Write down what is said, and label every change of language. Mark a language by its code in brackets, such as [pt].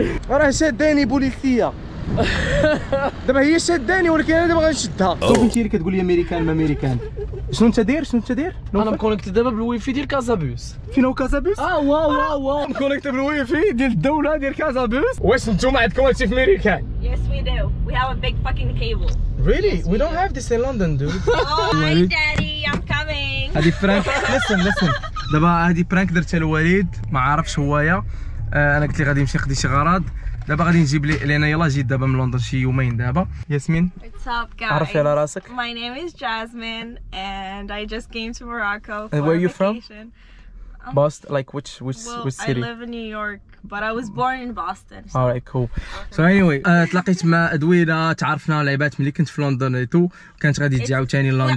[ar] راه شاداني بوليسيه دابا هي شاداني ولكن انا دابا غنشدها صوبتي اللي كتقول لي امريكان ما امريكان شنو انت داير انا مكونكت دابا بالويفي ديال كازابوس فين هو كازابوس واو مكونكت بالويفي ديال الدوله ديال كازابوس واش نتوما عندكم هادشي في امريكان [en] yes we do we have a big fucking cable really yes, we don't have this in london dude oh my daddy i'm coming [ar] هادي فرانك [en] listen [ar] دابا هادي برانك درتها لوليد ما عارفش هويا انا قلت لي غادي نمشي نخدي شي غراض دابا غادي نجيب لي لينا يلا جيت دابا من لندن شي يومين دابا ياسمين [en] what's up [ar] عرفي على راسك [en] my name is jasmine and i just came to morocco for where are you from boston like which city i live in new york but i was born in boston so. all right cool so anyway [ar] تلاقيت مع ادويله تعرفنا لعبات ملي كنت في لندن اي تو كانت غادي تجي عاوتاني لندن